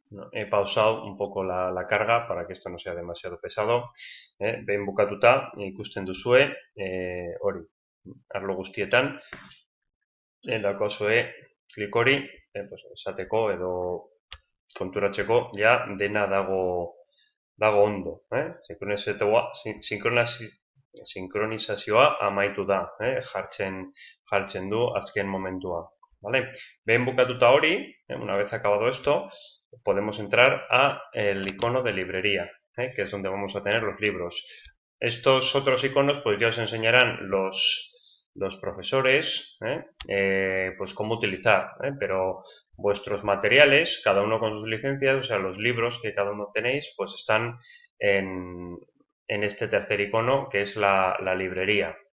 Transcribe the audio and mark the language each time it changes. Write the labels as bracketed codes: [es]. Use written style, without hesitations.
[es] He pausado un poco la carga para que esto no sea demasiado pesado. [eu] Behin bukatuta, ikusten duzue, hori, arlo guztietan, daukazue klik hori, esateko edo konturatzeko, ja, dena dago ondo. Sinkronizazioa amaitu da, jartzen du azken momentua. Behin bukatuta hori, [es] una vez acabado esto, podemos entrar a el icono de librería, que es donde vamos a tener los libros. Estos otros iconos pues ya os enseñarán los profesores pues cómo utilizar, pero vuestros materiales, cada uno con sus licencias, o sea, los libros que cada uno tenéis, pues están en este tercer icono, que es la librería.